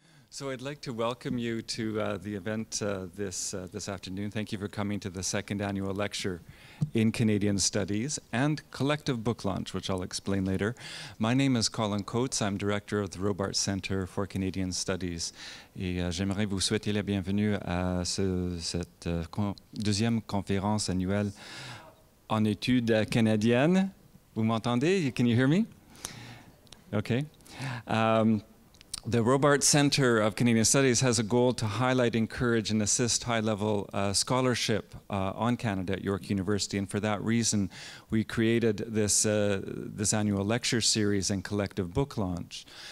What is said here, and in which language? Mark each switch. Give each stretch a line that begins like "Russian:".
English: So I'd like to welcome you to the event this afternoon. Thank you for coming to the second annual lecture in Canadian Studies and collective book launch, which I'll explain later. My name is Colin Coates. I'm director of the Robarts Center for Canadian Studies.
French: Et j'aimerais vous souhaiter la bienvenue à cette deuxième conférence annuelle en études canadiennes. Vous m'entendez?
English: Can you hear me? Okay. The Robarts Center of Canadian Studies has a goal to highlight, encourage, and assist high-level scholarship on Canada at York University. And for that reason, we created this annual lecture series and collective book launch.